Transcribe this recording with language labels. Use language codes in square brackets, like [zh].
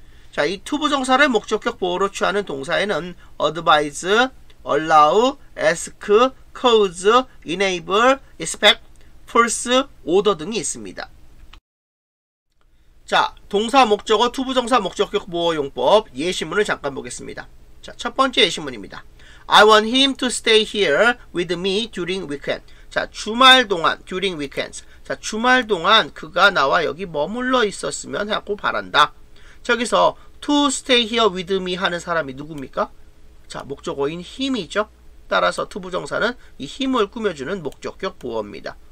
[ko] 자, 이 투부정사를 목적격 보호로 취하는 동사에는 advise, allow, ask, cause, enable, expect, force, order 등이 있습니다. 자, 동사 목적어 투부정사 목적격 보호 용법 예시문을 잠깐 보겠습니다. 자, 첫 번째 예시문입니다. [en] I want him to stay here with me during weekend. [ko] 자, 주말 동안, [en] during weekends. [ko] 자, 주말 동안 그가 나와 여기 머물러 있었으면 하고 바란다. 저기서 [en] to stay here with me [ko] 하는 사람이 누굽니까? 자, 목적어인 him이죠. 따라서 to 부정사는 이 him을 꾸며주는 목적격 보호입니다.